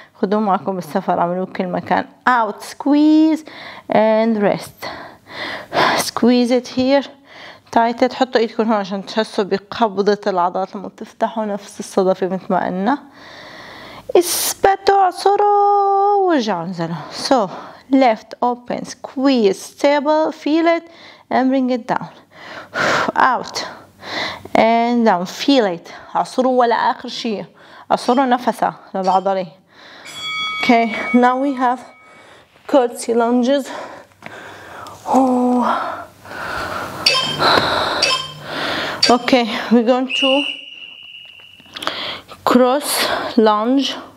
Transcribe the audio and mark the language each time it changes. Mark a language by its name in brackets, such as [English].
[Arabic] خدوه معكم بالسفر اعملوه كل مكان. [English] Out, squeeze and rest. Squeeze it here. Tight it. [Arabic] حطوا ايدكم هون عشان تحسوا بقبضة العضلات لما بتفتحوا نفس الصدفة مثل ما قلنا. اثبتوا عصروا ورجعوا انزلوا. [English] So left open squeeze stable feel it and bring it down out and down feel it. [Arabic] عصروا ولا اخر شيء عصروا نفسها للعضلة. [English] Okay now we have curtsy lunges. Okay we're going to cross lunge.